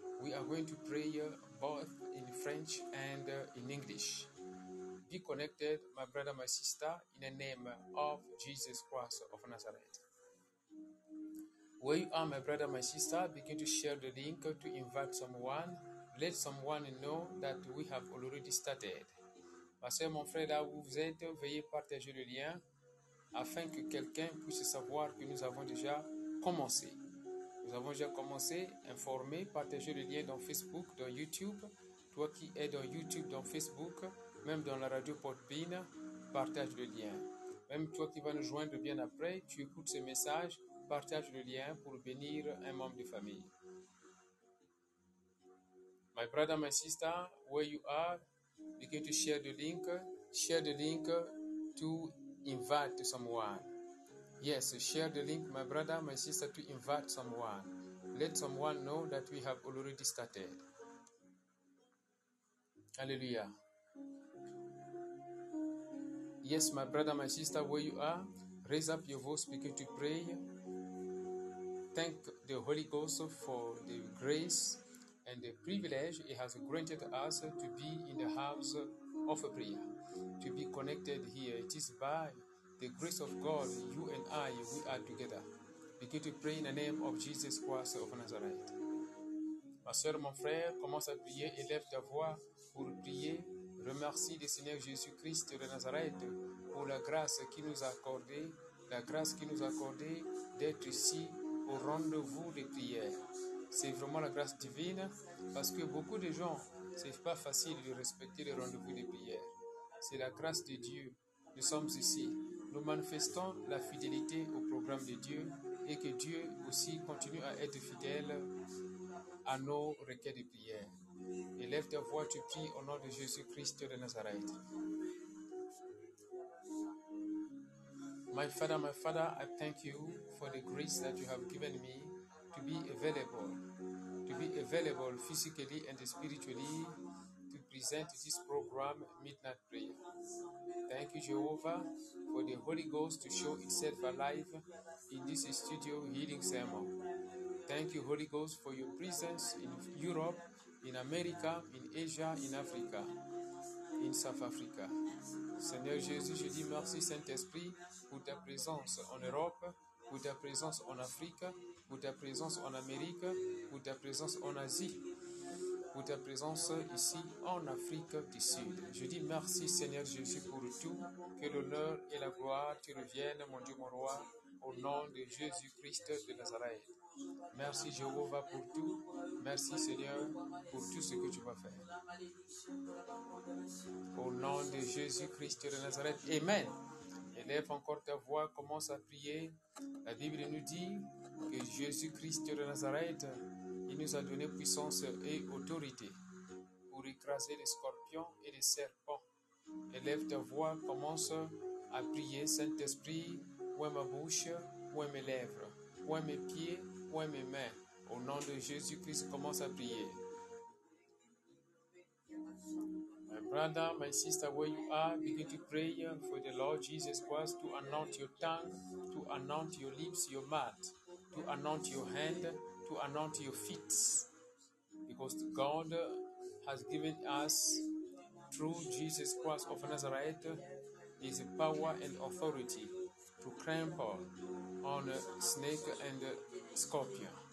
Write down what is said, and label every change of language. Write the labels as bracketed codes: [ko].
[en] We are going to pray both in French and in English. Be connected, my brother, my sister, in the name of Jesus Christ of Nazareth. Where you are, my brother, my sister, begin to share the link to invite someone. Let someone know that we have already started. [fr] Ma soeur, mon frère, là où vous êtes, veuillez partager le lien afin que quelqu'un puisse savoir que nous avons déjà commencé. Nous avons déjà commencé, informé, partager le lien dans Facebook, dans YouTube. Toi qui es dans YouTube, dans Facebook, même dans la radio Podbean, partage le lien. Même toi qui vas nous joindre bien après, tu écoutes ce message, partage le lien pour bénir un membre de famille. [en] My brother, my sister, where you are, begin to share the link to invite someone. Yes, share the link, my brother, my sister, to invite someone. Let someone know that we have already started. Hallelujah. Yes, my brother, my sister, where you are, raise up your voice, begin to pray. Thank the Holy Ghost for the grace and the privilege He has granted us to be in the house of prayer, to be connected here. It is by the grace of God, you and I, we are together. Begin to pray in the name of Jesus Christ of Nazareth. [fr] Ma soeur, mon frère, commence à prier, élève ta voix pour prier. Remercie le Seigneur Jésus-Christ de Nazareth pour la grâce qu'il nous a accordée, la grâce qu'il nous a accordée d'être ici au rendez-vous des prières. C'est vraiment la grâce divine parce que beaucoup de gens, c'est pas facile de respecter le rendez-vous des prières. C'est la grâce de Dieu. Nous sommes ici. Nous manifestons la fidélité au programme de Dieu et que Dieu aussi continue à être fidèle à nos requêtes de prière. Élève ta voix, tu pries au nom de Jésus-Christ de Nazareth. [en] My Father, I thank you for the grace that you have given me to be available physically and spiritually to present this program, Midnight Prayer. Thank you, Jehovah, for the Holy Ghost to show itself alive in this studio healing sermon. Thank you, Holy Ghost, for your presence in Europe, in America, in Asia, in Africa, in South Africa. [fr] Seigneur Jésus, je dis merci, Saint-Esprit, pour ta présence en Europe, pour ta présence en Afrique, pour ta présence en Amérique, pour ta présence en Asie, pour ta présence ici en Afrique du Sud. Je dis merci, Seigneur Jésus, pour tout. Que l'honneur et la gloire te reviennent, mon Dieu, mon roi, au nom de Jésus-Christ de Nazareth. Merci Jéhovah pour tout. Merci Seigneur pour tout ce que tu vas faire. Au nom de Jésus-Christ de Nazareth. Amen. Élève encore ta voix, commence à prier. La Bible nous dit que Jésus-Christ de Nazareth, il nous a donné puissance et autorité pour écraser les scorpions et les serpents. Élève ta voix, commence à prier. Saint-Esprit, ouvre ma bouche, ouvre mes lèvres, ouvre mes pieds, ouvre mes mains. Au nom de Jésus-Christ, commence à prier. [en] brother, my sister, where you are, begin to pray for the Lord Jesus Christ to anoint your tongue, to anoint your lips, your mouth, to anoint your hand, to anoint your feet. Because God has given us, through Jesus Christ of Nazareth, his power and authority to trample on a snake and a scorpion.